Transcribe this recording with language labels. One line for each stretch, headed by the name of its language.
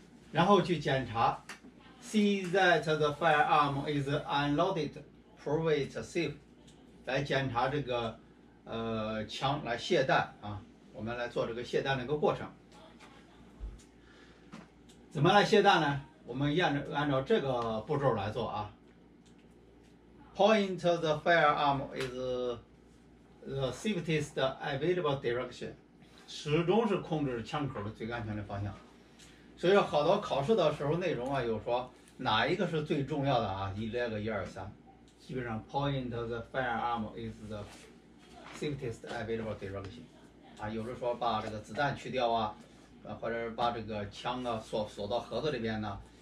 Chinese: 然后去检查
English: see that the firearm is unloaded prove it safe，
Chinese: 来检查这个枪来卸弹啊，我们来做这个卸弹的一个过程。怎么来卸弹呢？我们按照这个步骤来做啊。
English: Point the firearm is the safest available direction，
Chinese: 始终是控制枪口的最安全的方向。所以好多考试的时候内容啊，有说哪一个是最重要的啊？你列个一二三，基本上
English: Point the firearm is the safest available direction，
Chinese: 啊，有的说把这个子弹去掉啊，或者是把这个枪啊锁到盒子里边呢。